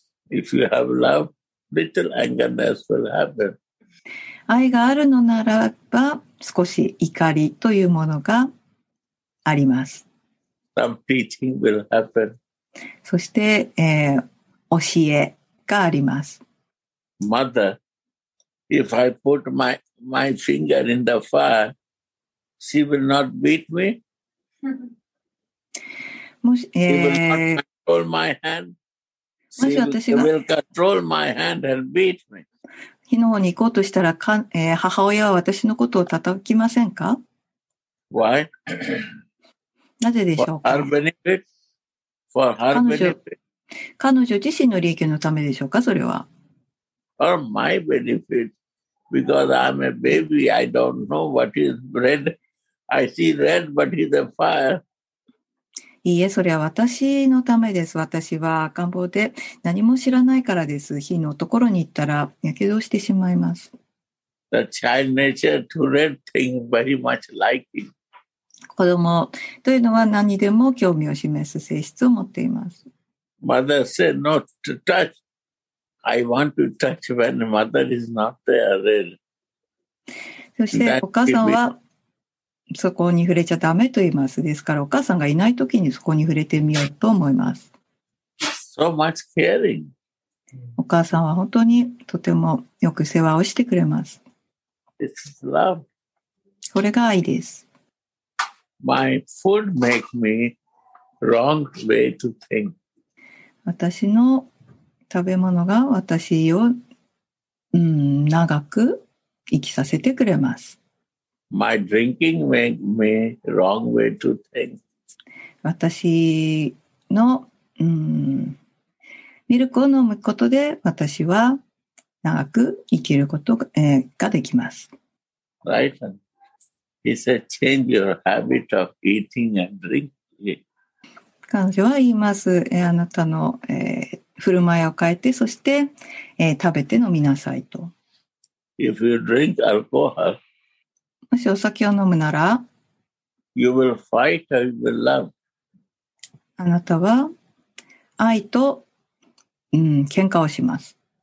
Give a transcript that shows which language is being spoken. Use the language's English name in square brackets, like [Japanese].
[English] If you have love, little angerness will happen. [Japanese] 愛があるのならば少し怒りというものがあります。 [English] Some teaching will happen. [Japanese] そして、教えがあります。 [English] Mother, if I put my finger in the fire, she will not beat me. She will not control my hand. She will control my hand and beat me. [Japanese] 火の方に行こうとしたら、母親は私のことを叩きませんか？ [English] Why? [Japanese] なぜでしょうか？ [English] For her benefit. For her benefit. [Japanese] 彼女自身の利益のためでしょうか？それは。 [English] For my benefit, because I'm a baby, I don't know what is red. I see red, but it's a fire. [Japanese] いいえ、それは私のためです。私は赤ん坊で何も知らないからです。火のところに行ったら火傷してしまいます。 [English] The child nature to red things very much liking. [Japanese] 子供というのは何でも興味を示す性質を持っています。 [English] Mother said not to touch. I want to touch when mother is not there. [Japanese] そしてお母さんはそこに触れちゃダメと言います。ですからお母さんがいないときにそこに触れてみようと思います。 [English] So much caring. [Japanese] お母さんは本当にとてもよく世話をしてくれます。 [English] This is love. [Japanese] これが愛です。 [English] My food make me wrong way to think. [Japanese] 私の食べ物が私を、長く生きさせてくれます。 [English] My drinking make me wrong way to think. [Japanese] 私の、ミルクを飲むことで私は長く生きることが、ができます。 [English] Right. He said change your habit of eating and drinking. [Japanese] 彼女は言います。あなたの、振る舞いを変えて、そして、食べて飲みなさいと。 [English] If you drink alcohol, [Japanese] もしお酒を飲むなら、 [English] you will fight or you will love. [Japanese] あなたは愛と、喧嘩をします。